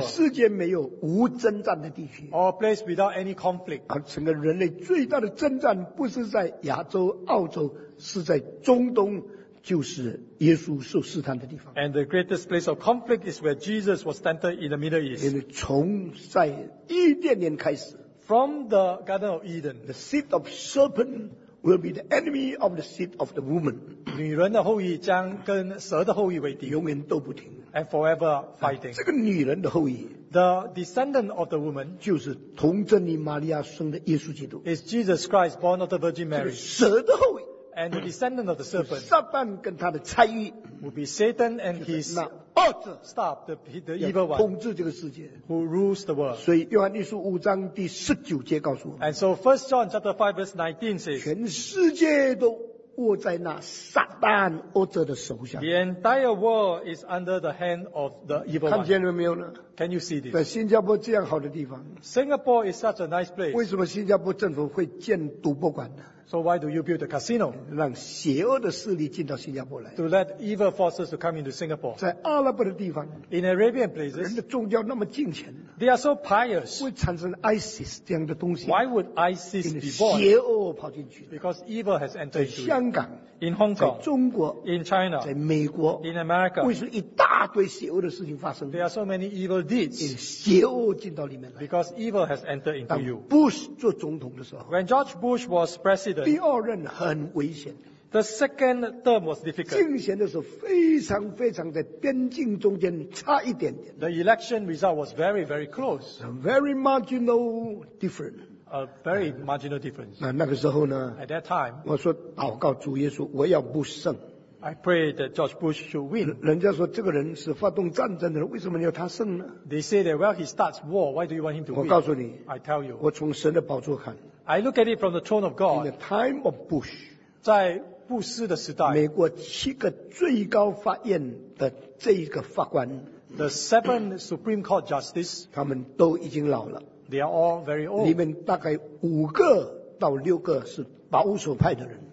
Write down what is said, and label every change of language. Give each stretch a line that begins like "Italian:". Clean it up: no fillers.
Chinese: 这个世界没有无征战的地区
English: or a place without any conflict.
Chinese: 而整个人类最大的征战不是在亚洲、澳洲，是在中东，就是耶稣受试探的地方。
English: And the greatest place of conflict is where Jesus was tempted in the Middle East.
Chinese: 因为从在伊甸园开始。
English: From the Garden of Eden, the seed of serpent will be the enemy of the seed of the woman.
Chinese: 女人的后裔将跟蛇的后裔为敌，永远斗不停。
English: And forever fighting.
Chinese: 这个女人的后裔，
English: the descendant of the woman,
Chinese: 就是童贞尼玛利亚生的耶稣基督，
English: is Jesus Christ born of the Virgin Mary.
Chinese: 蛇的后裔。
English: And the descendant of the serpent,
Chinese: 撒旦跟他的差役
English: will be Satan and his staff, the evil one,
Chinese: 统治这个世界
English: who rules the world.
Chinese: 所以约翰一书五章第十九节告诉我们
English: And so 1 John chapter 5 verse 19 says,
Chinese: 全世界都握在那撒旦恶者的手下。
English: The entire world is under the hand of the evil one.
Chinese: 看见了没有呢？
English: Can you see this?
Chinese: 在新加坡这样好的地方，
English: Singapore is such a nice place.
Chinese: 为什么新加坡政府会建赌博馆呢？
English: So why do you build a casino?
Chinese: 让邪恶的势力进到新加坡来。
English: To let evil forces to come into Singapore.
Chinese: 在阿拉伯的地方，
English: In Arabian places,
Chinese: 人的宗教那么敬虔，
English: They are so pious.
Chinese: 会产生 ISIS 这样的东西。
English: Why would ISIS be born?
Chinese: 邪恶跑进去。
English: Because evil has entered into it.
Chinese: 在香港，
English: In Hong Kong,
Chinese: 在中国，
English: In China,
Chinese: 在美国，
English: In America,
Chinese: 为什么一大堆邪恶的事情发生？
English: There are so many evil deeds.
Chinese: 邪恶进到里面来。
English: Because evil has entered into you.
Chinese: Bush 做总统的时候，
English: When George Bush was president.
Chinese: 第二任很危险。
English: The second term was difficult.
Chinese: 竞选的时候非常非常在边境中间差一点点。
English: The election result was very, very close. A very marginal difference. A very marginal difference.
Chinese: 那个时候呢，
English: At that time,
Chinese: 我说祷告主耶稣，我要不胜。
English: I pray that George Bush should win.
Chinese: 人家说这个人是发动战争的人，为什么要他胜呢？
English: They say that, well, he starts war. Why do you want him to win?
Chinese: 我告诉你，
English: I tell you,
Chinese: 我从神的宝座看。
English: I look at it from the throne of God. In the time of Bush,
Chinese: 在布什的时代，美国七个最高法院的这一个法官，
English: the seven Supreme Court justices,
Chinese: 他们都已经老了。
English: They are all very old.
Chinese: 里面大概五个到六个是保守派的人。